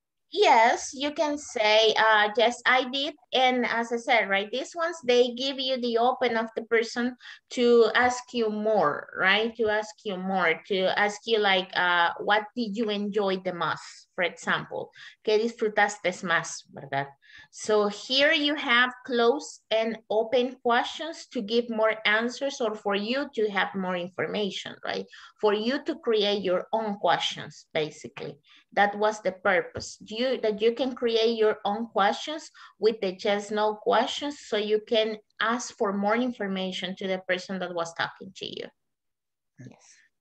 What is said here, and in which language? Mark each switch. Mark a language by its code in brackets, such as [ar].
[en] Yes, you can say, yes, I did. And as I said, right, these ones, they give you the open of the person to ask you more, right? To ask you more, to ask you like, what did you enjoy the most, for example? [es] ¿Qué disfrutaste más, verdad? [en] So here you have closed and open questions to give more answers or for you to have more information, right? For you to create your own questions, basically. That was the purpose, that you can create your own questions with the just no questions so you can ask for more information to the person that was talking to you. Yes.